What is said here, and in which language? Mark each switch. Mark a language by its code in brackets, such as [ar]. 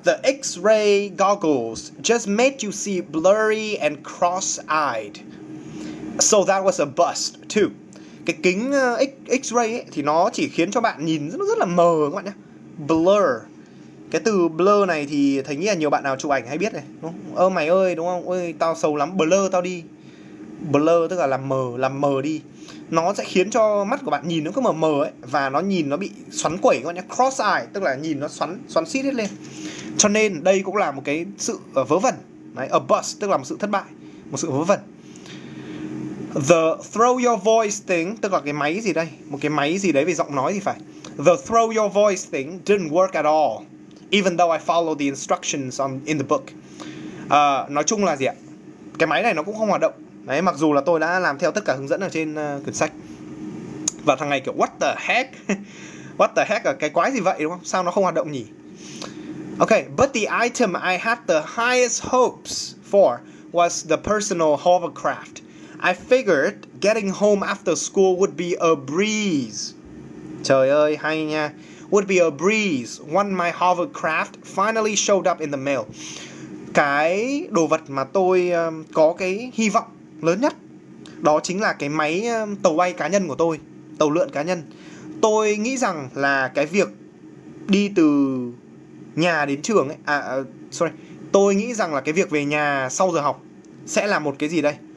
[en] The X-ray goggles just made you see blurry and cross-eyed, so that was a bust too. [vi] Cái kính X-ray ấy, thì nó chỉ khiến cho bạn nhìn rất là mờ các bạn nhá. Blur. Cái từ blur này thì thấy nghĩa là nhiều bạn nào chụp ảnh hay biết này, đúng không? Ơ mày ơi, đúng không? Ôi tao xấu lắm, blur tao đi. Blur tức là làm mờ đi. Nó sẽ khiến cho mắt của bạn nhìn nó cứ mờ mờ ấy, và nó nhìn nó bị xoắn quẩy các bạn nhá. Cross eye tức là nhìn nó xoắn xít hết lên. Cho nên đây cũng là một cái sự vớ vẩn. Đấy, a bust tức là một sự thất bại, một sự vớ vẩn. [en] The throw your voice thing, [vi] tức là cái máy gì đây? Một cái máy gì đấy về giọng nói thì phải. [en] The throw your voice thing didn't work at all, even though I followed the instructions in the book. [vi] Nói chung là gì ạ? Cái máy này nó cũng không hoạt động. Đấy, mặc dù là tôi đã làm theo tất cả hướng dẫn ở trên quyển sách. Và thằng này kiểu [en] what the heck? What the heck? [vi] Cái quái gì vậy đúng không? Sao nó không hoạt động nhỉ? [en] Okay, but the item I had the highest hopes for was the personal hovercraft. I figured getting home after school would be a breeze. [vi] Trời ơi, hay nha. [en] Would be a breeze when my hovercraft finally showed up in the mail. [vi] Cái đồ vật mà tôi có cái hy vọng lớn nhất đó chính là cái máy tàu bay cá nhân của tôi, tàu lượn cá nhân. Tôi nghĩ rằng là cái việc đi từ nhà đến trường ấy, tôi nghĩ rằng là cái việc về nhà sau giờ học sẽ là một cái gì đây?